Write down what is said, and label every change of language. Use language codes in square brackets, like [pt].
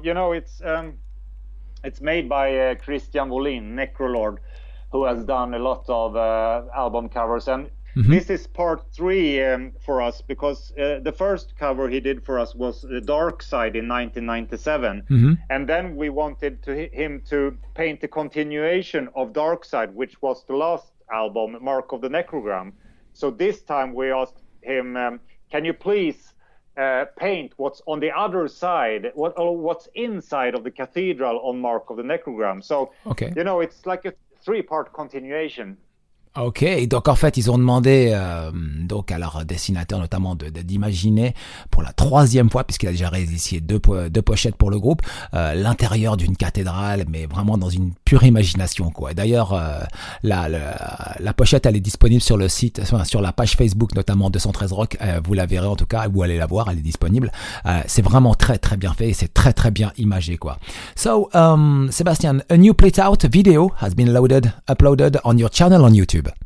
[en] You know, it's made by Christian Wolin, Necrolord, who has done a lot of album covers, and this is part three for us because the first cover he did for us was The Dark Side in 1997, and then we wanted him to paint the continuation of Dark Side, which was the last album, Mark of the Necrogram. So this time we asked him, can you please paint what's on the other side, what's inside of the cathedral on Mark of the Necrogram? So, okay. You know, it's like a three-part continuation. [fr] Ok, et donc en fait ils ont demandé donc à leur dessinateur notamment d'imaginer pour la troisième fois, puisqu'il a déjà réalisé deux pochettes pour le groupe, l'intérieur d'une cathédrale, mais vraiment dans une pure imagination quoi. Et d'ailleurs la pochette elle est disponible sur le site, enfin, sur la page Facebook notamment 213 Rock, vous la verrez en tout cas, vous allez la voir, elle est disponible. C'est vraiment très très bien fait et c'est très très bien imagé quoi. [en] So, Sébastien, a new played out video has been uploaded on your channel on YouTube.